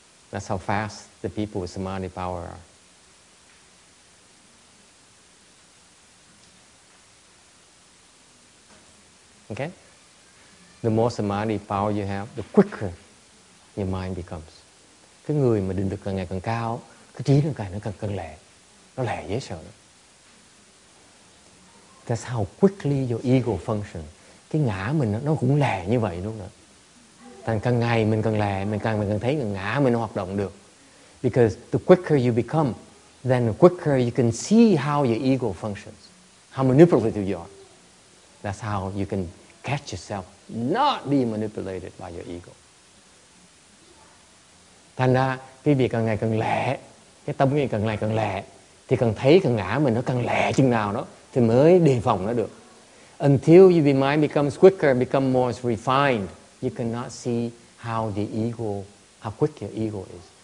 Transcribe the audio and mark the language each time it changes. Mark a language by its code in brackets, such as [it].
[en] That's how fast the people with samadhi power are. Okay? The more samadhi power you have, the quicker your mind becomes. [vi] Cái người mà định lực càng ngày càng cao, cái trí nó càng lẹ. Nó lẹ dễ sợ. [en] That's how quickly your ego functions. [vi] Cái ngã mình nó cũng lẹ như vậy luôn đó. Thành càng ngày mình càng lẹ, mình càng thấy ngã mình nó hoạt động được. [en] Because the quicker you become, then the quicker you can see how your ego functions. How manipulative you are. That's how you can catch yourself not be manipulated by your ego. [vi] Thành ra cái việc càng ngày càng lẹ, cái tâm mình càng ngày càng lẹ, thì càng thấy càng ngã mình nó càng lẹ chừng nào đó thì mới đề phòng nó được. [en] Until your mind becomes quicker, become more refined, you cannot see how the ego, how quick your ego is.